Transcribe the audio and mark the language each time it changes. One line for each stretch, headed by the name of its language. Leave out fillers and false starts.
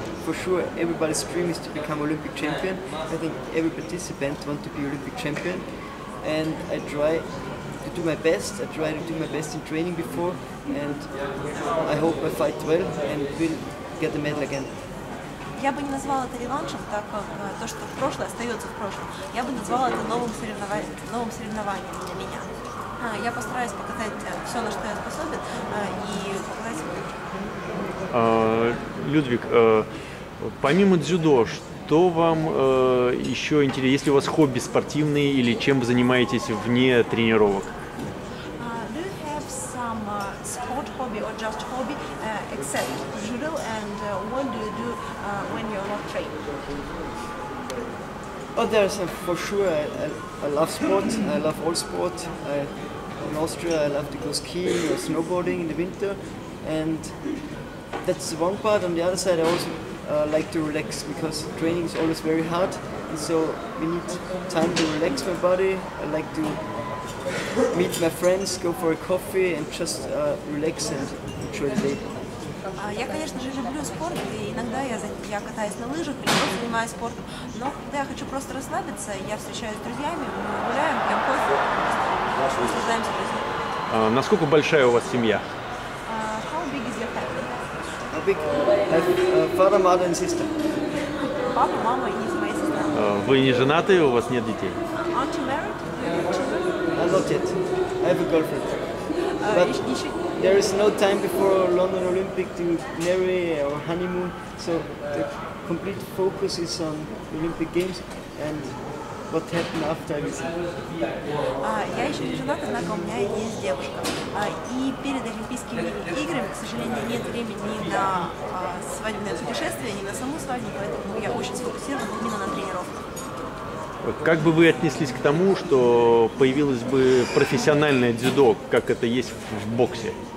English: For sure, everybody's dream is to become Olympic champion. I think every participant wants to be Olympic champion, and I try to do my best. I try to do my best in training before, and I hope I fight well and will get the medal again.
Russian: Я бы не назвала это реваншем, так как то, что в прошлое, остается в прошлом. Я бы назвала это новым соревнованием для меня. Я постараюсь показать все, на что я способен, и показать себя. Людвиг, помимо дзюдо, что вам еще интересно? Есть ли у вас хобби спортивные, или чем вы занимаетесь вне тренировок?
English: Do you have some sport hobby or just hobby except judo, and what do you do when you're not training? Oh, there's for sure. I love sport. I love all sport. I in Austria, I love to go skiing or snowboarding in the winter, and that's one part. On the other side, I also like to relax, because training is always very hard, and so we need time to relax my body. I like to meet my friends, go for a coffee, and just relax and enjoy the day.
Russian: Я, конечно же, люблю спорт, и иногда я катаюсь на лыжах, или просто занимаюсь спортом, но когда я хочу просто расслабиться, я встречаюсь с друзьями, мы гуляем, пьем кофе, наслаждаемся друзьями. Насколько большая у вас семья?
English: How big is your family? How big? Father, mother and sister.
Russian: Папа, мама и моя сестра. Вы не женаты, у вас нет детей?
English: Aren't you married? Do you have children? Not yet. I have a girlfriend. There is no time before London Olympic to marry or honeymoon, so the complete focus is on Olympic Games and what happened after.
Russian: Я еще не женат, однако у меня есть девушка. И перед Олимпийскими играми, к сожалению, нет времени ни на свадебное путешествие, ни на саму свадьбу, поэтому я очень сфокусирована именно на тренировках. Как бы вы отнеслись к тому, что появилось бы профессиональное дзюдо, как это есть в боксе?